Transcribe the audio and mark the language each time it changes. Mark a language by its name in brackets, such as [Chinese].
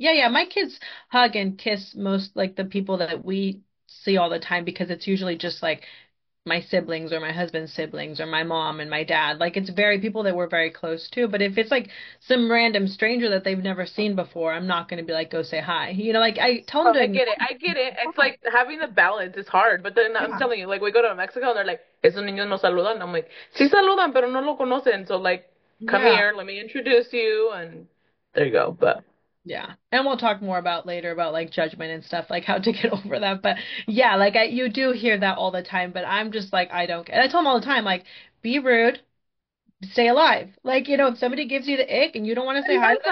[English] My kids hug and kiss most like the people that we see all the time, because it's usually just like my siblings or my husband's siblings or my mom and my dad. Like, it's very people that we're very close to. But if it's like some random stranger that they've never seen before, I'm not going to be like, go say hi. You know, like, I tell them Oh, to I acknowledge. get it. I get it. It's like having the balance is hard. But then I'm telling you, like, we go to Mexico and they're like, [Spanish] esos niños no saludan. [English] And I'm like, [Spanish] sí saludan, pero no lo conocen. [English] So, like, come here. Let me introduce you. And there you go. But. And we'll talk more about later about like judgment and stuff, like how to get over that. But yeah, like you do hear that all the time, but I'm just like, I don't care. And I tell them all the time, like, be rude, stay alive. Like, you know, if somebody gives you the ick and you don't want to say hi to them,